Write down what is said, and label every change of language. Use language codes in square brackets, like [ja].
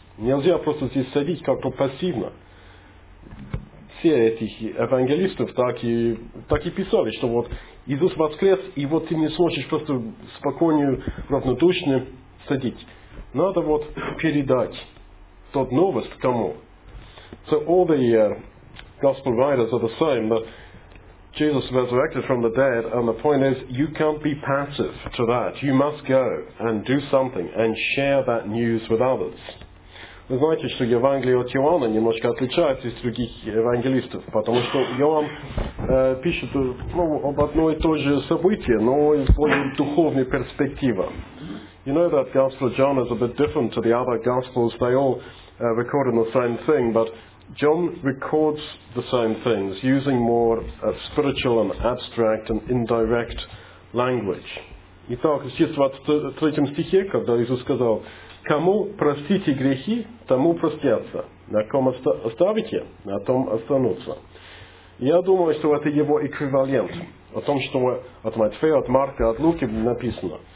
[ru] Нельзя просто здесь садить как-то пассивно. Все этих евангелистов так и писали, что вот Иисус воскрес, и вот ты не сможешь просто спокойно, равнодушно садить. Надо вот передать тот новость кому. [en] So all the gospel writers are the same, that Jesus resurrected from the dead, and the point is, you can't be passive to that. You must go and do something and share that news with others. [ru] Вы знаете, что Евангелие от Иоанна немножко отличается от других евангелистов, потому что Иоанн пишет об одно и то же событие, но из более духовной перспективы. [en] You know that Gospel of John is a bit different to the other Gospels. They all record the same thing, but John records the same things, using more spiritual and abstract and indirect language. [ru] Итак, здесь в 23 стихе, когда Иисус сказал: кому простите грехи, тому простятся. На ком оставите, на том останутся. Я думаю, что это его эквивалент. О том, что от Матфея, от Марка, от Луки написано.